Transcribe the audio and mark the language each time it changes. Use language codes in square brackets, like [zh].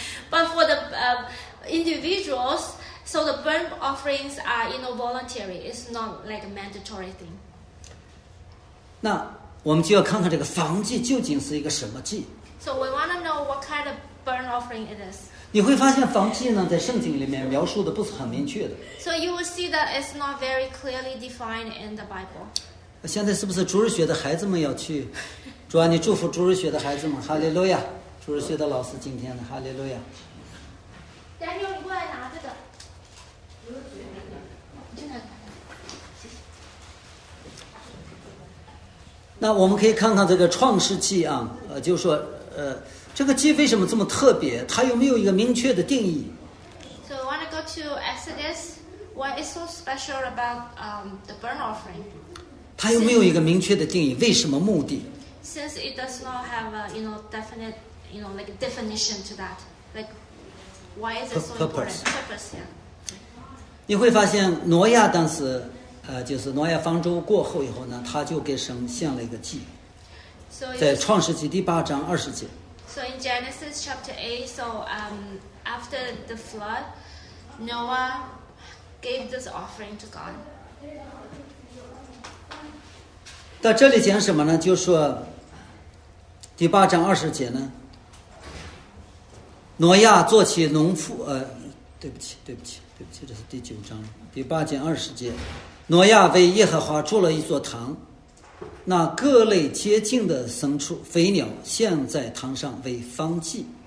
[en] But for the individuals, so the burnt offerings are, you know, voluntary. It's not like a mandatory thing. [zh] 那我们就要看看这个燔祭究竟是一个什么祭。 [en] So we want to know what kind of burnt offering it is. [zh] 你会发现燔祭呢，在圣经里面描述的不是很明确的。 [en] So you will see that it's not very clearly defined in the Bible. [zh] 现在是不是主日学的孩子们要去？主啊，你祝福主日学的孩子们，哈利路亚。主日学的老师今天的哈利路亚。 Daniel， 你过来拿这个。主日学。那我们可以看看这个创世纪啊，就是说，这个纪为什么这么特别？它有没有一个明确的定义 [en] ？So I want to go to Exodus. What is so special about the burnt offering？ [zh] 它有没有一个明确的定义？为什么目的 [en] ？Since it does not have a you know definite. You know, like a definition to that. Like, why is it so important? Purpose, yeah. [zh] 你会发现挪亚当时，就是挪亚方舟过后以后呢，他就给神献了一个祭。在创世纪第八章二十节。 So in Genesis chapter 8, so after the flood, Noah gave this offering to God. 到这里讲什么呢？就说第八章二十节呢，挪亚做起农夫，对不起，这是第九章第八节二十节，挪亚为耶和华筑了一座堂，那各类洁净的牲畜、肥鸟献在堂上为燔祭。